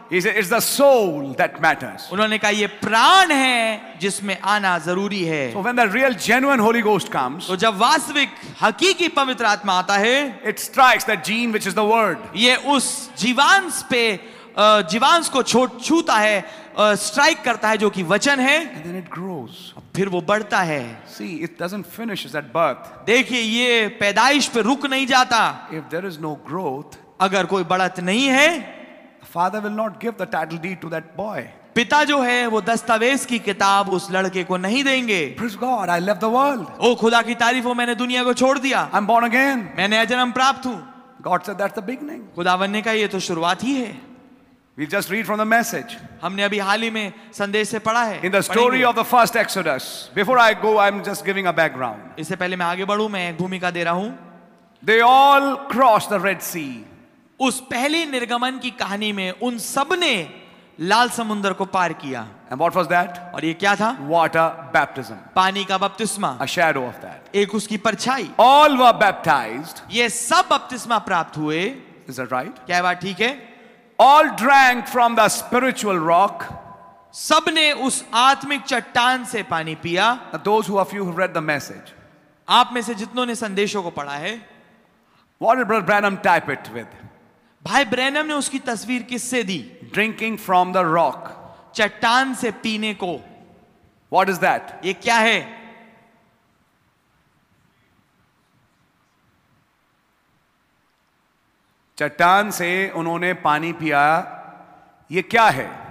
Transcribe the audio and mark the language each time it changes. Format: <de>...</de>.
<en>He said it's the soul that matters.</en> <hi>उन्होंने कहा ये प्राण है जिसमें आना जरूरी है.</hi> <en>So when the real genuine Holy Ghost comes,</en> <hi>तो जब वास्तविक हकीकी पवित्र आत्मा आता है,</hi> <en>it strikes that gene which is the word.</en> <hi>ये उस जीवांश पे जीवांश को छूता है, स्ट्राइक करता है जो कि वचन है.</hi> <en>And then it grows.</en> <hi>फिर वो बढ़ता है.</hi> <en>See, it doesn't finish at birth.</en> <hi>देखिए ये पैदाइश पे रुक नहीं जाता.</hi> <en>If there is no growth,</en> <hi>अगर कोई बढ़त नहीं है,</hi> <en>father will not give the title deed to that boy.</en> <hi>पिता जो है वो दस्तावेज की किताब उस लड़के को नहीं देंगे.</hi> <en>Praise God, I left the world.</en> <hi>ओ खुदा की तारीफ हो, मैंने दुनिया को छोड़ दिया.</hi> <en>I'm born again.</en> <hi>मैं नया जन्म प्राप्त हूँ.</hi> <en>God said that's the beginning.</en> <hi>खुदावन ने कहा ये तो शुरुआत ही है.</hi> <en>We just read from the message.</en> <hi>हमने अभी हाल ही में संदेश से पढ़ा है.</hi> <en>In the story of the first Exodus. Before I go, I'm just giving a background.</en> <hi>इससे पहले मैं आगे बढ़ूं, मैं भूमिका दे रहा हूं.</hi> <en>They all crossed the Red Sea.</en> <hi>उस पहले निर्गमन की कहानी में उन सब ने लाल समुंदर को पार किया.</hi> <en>And what was that?</en> <hi>और ये क्या था?</hi> <en>Water baptism.</en> <hi>पानी का बपतिस्मा.</hi> <en>A shadow of that.</en> <hi>एक उसकी परछाई.</hi> <en>All were baptized.</en> <hi>ये सब बपतिस्मा प्राप्त हुए.</hi> <en>Is that right?</en> <hi>क्या बात ठीक है?</hi> <en>All drank from the spiritual rock.</en> <hi>सबने उस आत्मिक चट्टान से पानी पिया.</hi> <en>Those who of you have read the message.</en> <hi>आप में से जितनों ने संदेशों को पढ़ा है.</hi> <en>What did Brother Branham type it with?</en> <hi>भाई ब्रैनम ने उसकी तस्वीर किससे दी?</hi> <en>Drinking from the rock.</en> <hi>चट्टान से पीने को.</hi> <en>What is that?</en> <hi>ये क्या है? चट्टान से उन्होंने पानी पिया, ये क्या है?</hi>